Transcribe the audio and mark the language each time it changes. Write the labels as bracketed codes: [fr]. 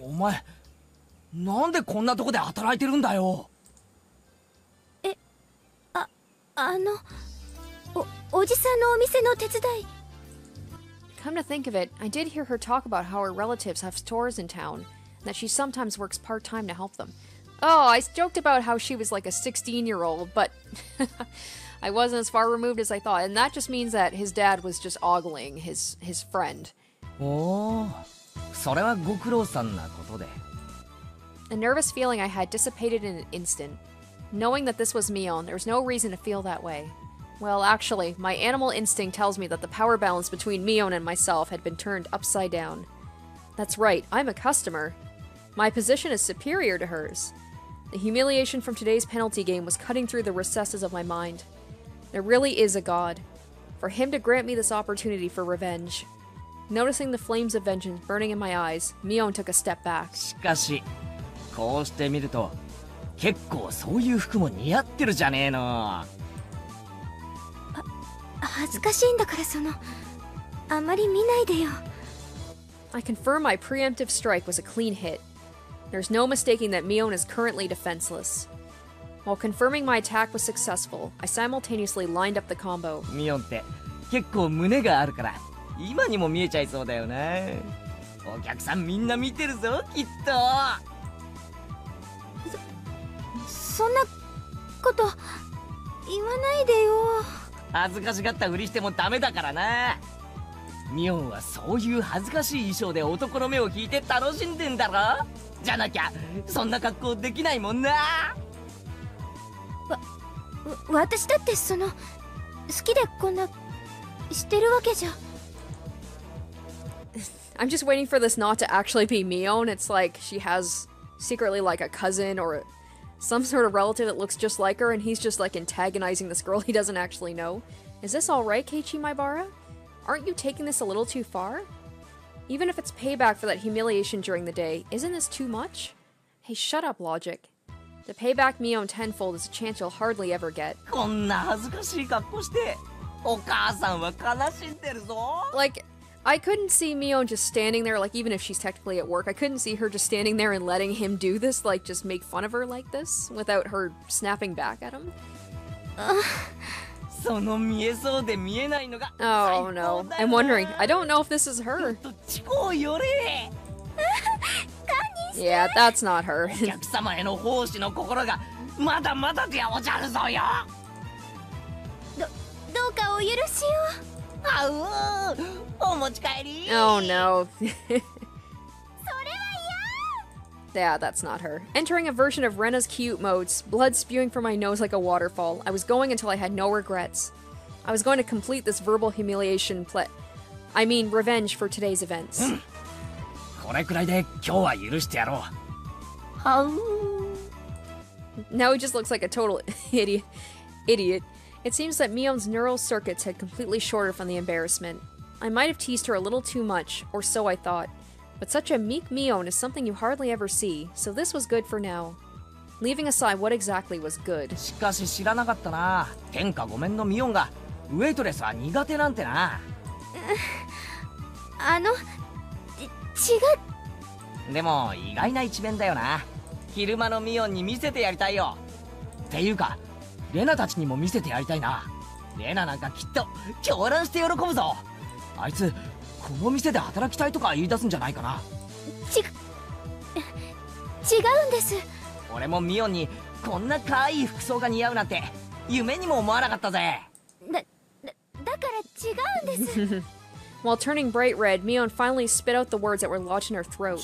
[ja] お前、なんでこんなとこで働いてるんだよ? [en] Come to think of it, I did hear her talk about how her relatives have stores in town, and that she sometimes works part-time to help them. Oh, I joked about how she was like a 16-year-old, but I wasn't as far removed as I thought, and that just means that his dad was just ogling his friend. [ja] Oh, それはご苦労さんなことで。 [en] The nervous feeling I had dissipated in an instant. Knowing that this was Mion, there was no reason to feel that way. Well, actually, my animal instinct tells me that the power balance between Mion and myself had been turned upside down. That's right, I'm a customer. My position is superior to hers. The humiliation from today's penalty game was cutting through the recesses of my mind. There really is a god. For him to grant me this opportunity for revenge. Noticing the flames of vengeance burning in my eyes, Mion took a step back. [ja] しかし、こうしてみると、結構そういう服も似合ってるじゃねえの。恥ずかしいんだからその、あまり見ないでよ。 [en] I confirm my preemptive strike was a clean hit. There's no mistaking that Mion is currently defenseless. While confirming my attack was successful, I simultaneously lined up the combo. [ja] Mion って結構胸があるから、今にも見えちゃいそうだよね。お客さんみんな見てるぞ、きっと。そんなこと言わないでよ。恥ずかしがったふりしてもダメだからな。ミオンはそういう恥ずかしい衣装で男の目を引いて楽しんでんだろ。じゃなきゃそんな格好できないもんな。私だってその好きでこんなしてるわけじゃ。 [en] I'm just waiting for this not to actually be Mion. It's like she has secretly like a cousin or some sort of relative that looks just like her, and he's just like antagonizing this girl he doesn't actually know. Is this all right, Keiichi Maibara? Aren't you taking this a little too far? Even if it's payback for that humiliation during the day, isn't this too much? Hey, shut up, Logic. The payback Mion tenfold is a chance you'll hardly ever get. [ja] こんな恥ずかしい格好して、お母さんは悲しんでるぞ。 [en] Like,I couldn't see Mion just standing there, like, even if she's technically at work, I couldn't see her just standing there and letting him do this, like, just make fun of her like this, without her snapping back at him. [ja] その見えそうで見えないのが最高だな。 [en] Oh, no. I'm wondering. I don't know if this is her. [ja] どっちこうよれ。堪忍して。 [en] Yeah, that's not her. [ja] お客様への奉仕の心がまだまだでおじゃるぞよ。どうかお許しを。 [en] Oh no. Yeah, that's not her. Entering a version of Rena's cute modes, blood spewing from my nose like a waterfall, I was going until I had no regrets. I was going to complete this verbal humiliation revenge for today's events. [ja] これくらいで今日は許してやろう。 [en] Now he just looks like a total idiot. It seems that Mion's neural circuits had completely shorted from the embarrassment. I might have teased her a little too much, or so I thought. But such a meek Mion is something you hardly ever see, so this was good for now. Leaving aside what exactly was good. [ja] しかし知らなかったな。天下御免のミオンがウェイトレスは苦手なんてな。あの、違う。でも意外な一面だよな。昼間のミオンに見せてやりたいよ。っていうか、レナたちにも見せてやりたいな。レナなんかきっと狂乱して喜ぶぞ。あいつこの店で働きたいとか言い出すんじゃないかな。違うんです。俺もミオンにこんな可愛い服装が似合うなんて夢にも思わなかったぜ。だから違うんです。 [en] While turning bright red, Mion finally spit out the words that were lodged in her throat.